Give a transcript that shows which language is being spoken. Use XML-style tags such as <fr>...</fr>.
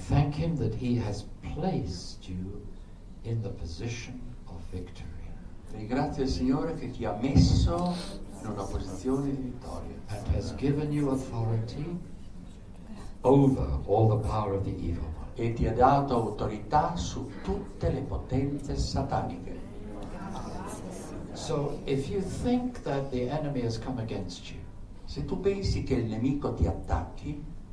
<en>Thank him that he has placed you in the position of victory.</en> <it>Ringrazia il Signore che ti ha messo in una posizione di vittoria.</it> <en>And has given you authority over all the power of the evil one.</en> <it>E ti ha dato autorità su tutte le potenze sataniche.</it> <en>So if you think that the enemy has come against you,</en> <it>se tu pensi che il nemico ti attacchi,</it>